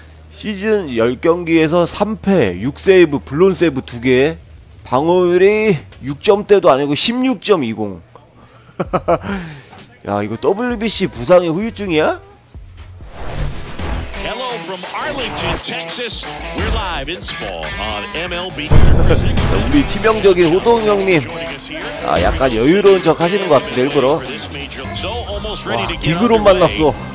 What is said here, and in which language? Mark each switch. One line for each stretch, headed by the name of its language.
Korean: 시즌 10경기에서 3패, 6세이브, 블론 세이브 2개. 방어율이 6점대도 아니고 16.20. 야, 이거 WBC 부상의 후유증이야?
English: Hello from Arlington, Texas. We're live in small on MLB.
Korean: 우리 치명적인 호동 형님. 아, 약간 여유로운 척 하시는 것 같은데, 일부러. 와, 디그롬 만났어.